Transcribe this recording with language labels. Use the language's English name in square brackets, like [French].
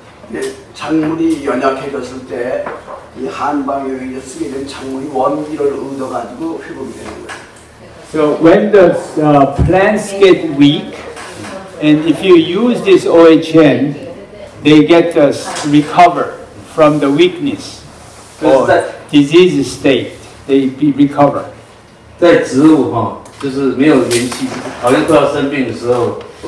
[Korean] 네, 장물이 연약해졌을 때 이 한방 영양제 쓰게 된 장물이 원기를 얻어 가지고 회복이 되는 거예요. [English] So when the plants get weak, and if you use this OHN, they get us recover from the weakness or disease state. They be recover. [Chinese] 在植物就是没有元气，好像快要生病的时候。